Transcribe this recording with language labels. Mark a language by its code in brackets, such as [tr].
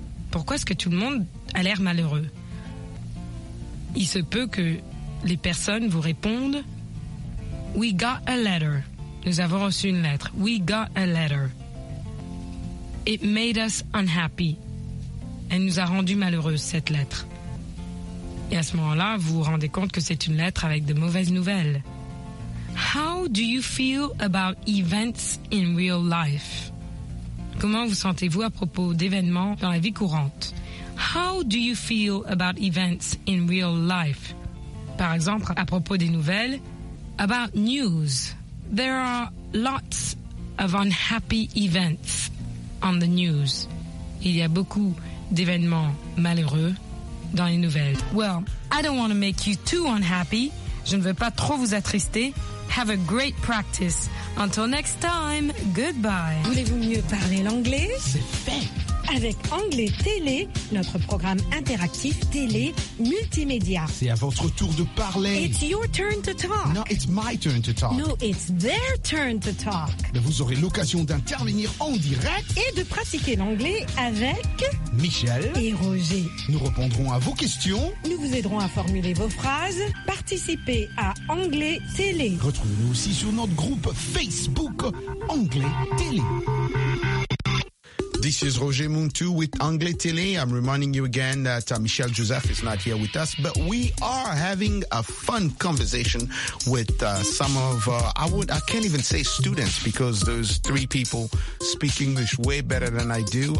[fr] Pourquoi est-ce que tout le monde a l'air malheureux? Il se peut que les personnes vous répondent, [en] We got a letter. [fr] Nous avons reçu une lettre. [en] We got a letter. It made us unhappy. [fr] Elle nous a rendu malheureuse, cette lettre. Et à ce moment-là, vous vous rendez compte que c'est une lettre avec de mauvaises nouvelles. [en] How do you feel about events in real life? [fr] Comment vous sentez-vous à propos d'événements dans la vie courante? [en] How do you feel about events in real life? [fr] Par exemple, à propos des nouvelles, [en] about news. There are lots of unhappy events on the news. [fr] Il y a beaucoup d'événements malheureux dans les nouvelles. [en] Well, I don't want to make you too unhappy. [fr] Je ne veux pas trop vous attrister. [en] Have a great practice. Until next time, goodbye. [fr] Voulez-vous mieux parler l'anglais? C'est fait. avec Anglais Télé, notre programme interactif télé multimédia. C'est à votre tour de parler. [en] It's your turn to talk. No, it's my turn to talk. No, it's their turn to talk. [fr] Mais vous aurez l'occasion d'intervenir en direct et de pratiquer l'anglais avec Michel et Roger. Nous répondrons à vos questions. Nous vous aiderons à formuler vos phrases. Participez à Anglais Télé. Retrouvez-nous aussi sur notre groupe Facebook Anglais Télé. [en] This is Roger Muntu with Anglais Télé. I'm reminding you again that Michel Joseph is not here with us, but we are having a fun conversation with some of, I can't even say students, because those three people speak English way better than I do.